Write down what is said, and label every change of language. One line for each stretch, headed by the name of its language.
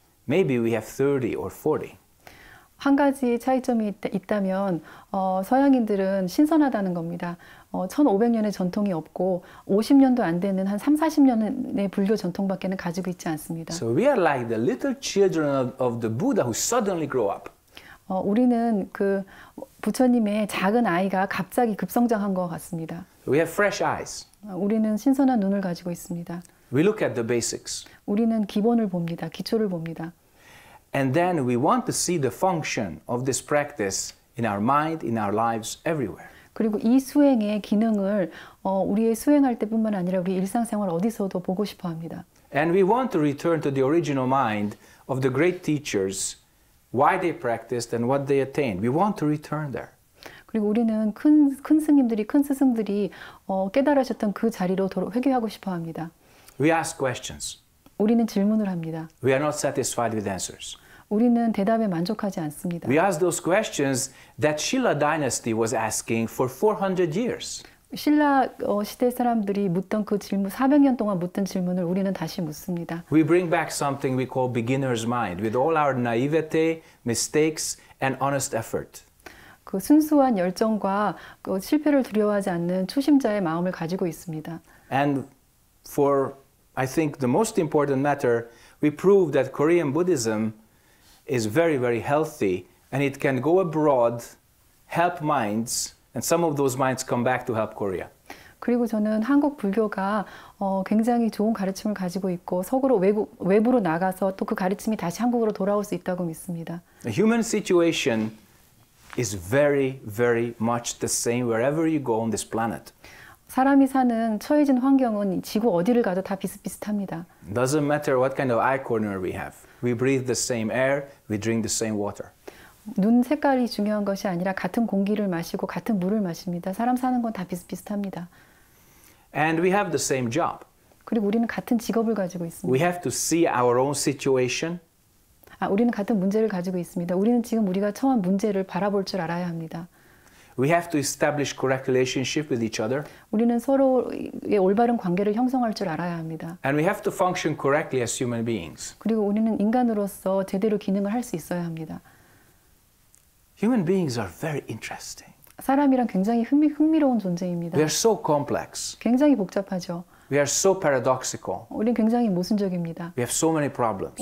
English: Maybe we have 30 or 40.
Korean: 한 가지 차이점이 있다면 서양인들은 신선하다는 겁니다. 1500년의 전통이 없고 50년도 안 되는 한 3, 40년의 불교 전통밖에는 가지고 있지 않습니다.
English: So we are like the little children of the Buddha who suddenly grow up.
Korean: 우리는 그 부처님의 작은 아이가 갑자기 급성장한 것 같습니다.
English: We have fresh eyes.
Korean: 우리는 신선한 눈을 가지고 있습니다.
English: We look at the basics.
Korean: 우리는 기본을 봅니다. 기초를 봅니다.
English: And then we want to see the function of this practice in our mind, in our lives, everywhere.
Korean: 그리고 이 수행의 기능을 우리의 수행할 때뿐만 아니라 우리 일상생활 어디서도 보고 싶어 합니다.
English: And we want to return to the original mind of the great teachers, why they practiced and what they attained. We want to return there.
Korean: 그리고 우리는 큰 스님들이, 큰 스승들이 깨달으셨던 그 자리로 회귀하고 싶어 합니다.
English: We ask questions.
Korean: 우리는 질문을 합니다.
English: We are not satisfied with answers.
Korean: 우리는 대답에 만족하지 않습니다.
English: We ask those questions that Silla Dynasty was asking for 400 years.
Korean: 신라 시대 사람들이 묻던 그 질문, 400년 동안 묻던 질문을 우리는 다시 묻습니다.
English: We bring back something we call beginner's mind with all our naivete, mistakes, and honest effort.
Korean: 그 순수한 열정과 그 실패를 두려워하지 않는 초심자의 마음을 가지고 있습니다.
English: And for, I think, the most important matter, we prove that Korean Buddhism is very, very healthy and it can go abroad, help minds, and some of those minds come back to help Korea.
Korean: 그리고 저는 한국 불교가 굉장히 좋은 가르침을 가지고 있고 서구로 외부로 나가서 또그 가르침이 다시 한국으로 돌아올 수 있다고 믿습니다.
English: The human situation is very, very much the same wherever you go on this planet.
Korean: 사람이 사는 처해진 환경은 지구 어디를 가도 다 비슷비슷합니다.
English: Doesn't matter what kind of eye corner we have. We breathe the same air, we drink the same water.
Korean: 눈 색깔이 중요한 것이 아니라 같은 공기를 마시고 같은 물을 마십니다. 사람 사는 건다 비슷비슷합니다.
English: And we have the same job.
Korean: 그리고 우리는 같은 직업을 가지고
English: We
Korean: 있습니다.
English: have to see our own situation.
Korean: 우리는 같은 문제를 가지고 있습니다. 우리는 지금 우리가 처한 문제를 바라볼 줄 알아야 합니다.
English: We have to establish correct relationship with each other.
Korean: 우리는 서로의 올바른 관계를 형성할 줄 알아야 합니다.
English: And we have to function correctly as human beings.
Korean: 그리고 우리는 인간으로서 제대로 기능을 할수 있어야 합니다.
English: Human beings are very interesting.
Korean: 사람이란 굉장히 흥미로운
English: We are
Korean: 존재입니다.
English: so complex.
Korean: 굉장히 복잡하죠.
English: We are so paradoxical.
Korean: 우리는 굉장히 모순적입니다.
English: We have so many problems.